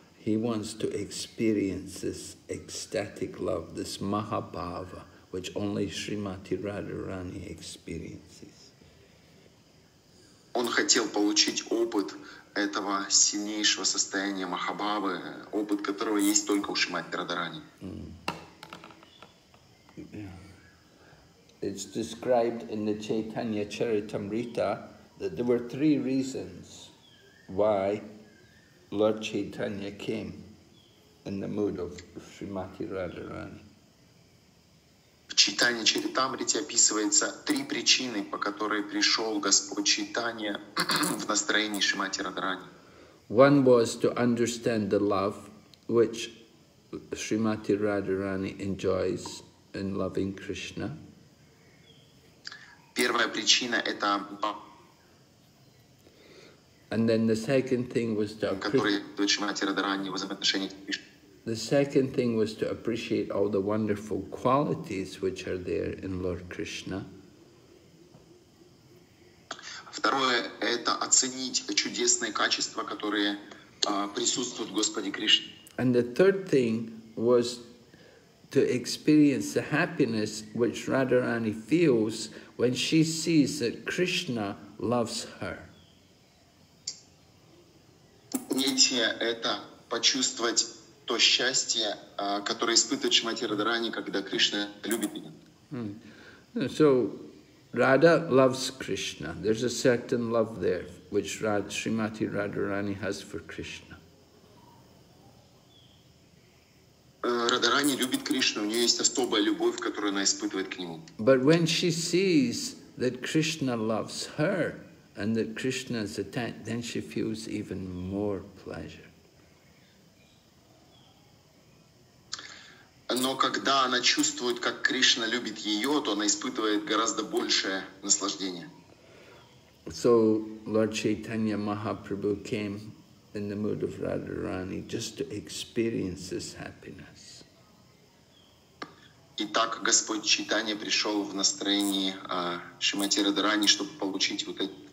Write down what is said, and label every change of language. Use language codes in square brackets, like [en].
[en] He wants to experience this ecstatic love, this Mahabhava, which only Srimati Radharani experiences. [ru] Он хотел получить опыт этого сильнейшего состояния Махабхавы, опыт которого есть только у Шримати Радхарани. [en] It's described in the Chaitanya Charitamrita that there were three reasons why Lord Chaitanya came in the mood of Srimati Radharani. [ru] В Чайтанья Чаритамрите описывается три причины, по которой пришел Господь Чайтанья в настроении Шримати Радхарани. [en] One was to understand the love which Srimati Radharani enjoys in loving Krishna. [ru] Первая причина – это… [en] And then the second thing was to… [ru] Который Шримати Радхарани в взаимоотношениях с Кришной. [en] The second thing was to appreciate all the wonderful qualities which are there in Lord Krishna. [ru] Второе, это оценить чудесные качества, которые присутствуют в Господе Кришне. [en] And the third thing was to experience the happiness which Radharani feels when she sees that Krishna loves her. [ru] Третье – это почувствовать то счастье, которое испытывает Шримати Радхарани, когда Кришна любит меня. [en] So, Radha loves Krishna. There's a certain love there, which Shrimati Radharani has for Krishna. [ru] Радхарани любит Кришну. У нее есть особая любовь, которую она испытывает к нему. [en] But when she sees that Krishna loves her, and that Krishna is attached, then she feels even more pleasure. [ru] Но когда она чувствует, как Кришна любит ее, то она испытывает гораздо большее наслаждение. [en] So Lord Chaitanya Mahaprabhu came in the mood of Radharani just to experience this happiness. [ru] Итак, Господь Чайтанья пришел в настроении Шримати Радхарани, чтобы получить вот это.